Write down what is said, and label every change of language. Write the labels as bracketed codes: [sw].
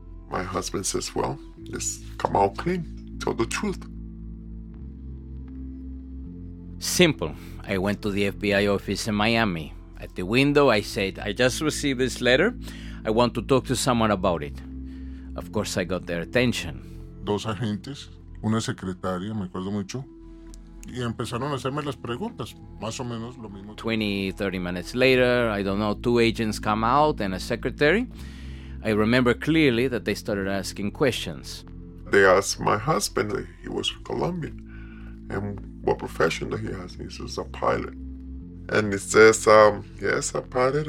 [en] My husband says, well, just come out clean. Tell the truth. Simple. I went to the FBI office in Miami. At the window, I said, I just received this letter. I want to talk to someone about it. Of course, I got their attention. [es] Dos agentes, una secretaria, me acuerdo mucho, y empezaron a hacerme las preguntas, más o menos lo mismo. [en] 20, 30 minutes later, I don't know, two agents come out and a secretary. I remember clearly that they started asking questions. They asked my husband, he was Colombian, and what profession that he has. He says, a pilot. And he says, yes, a pilot.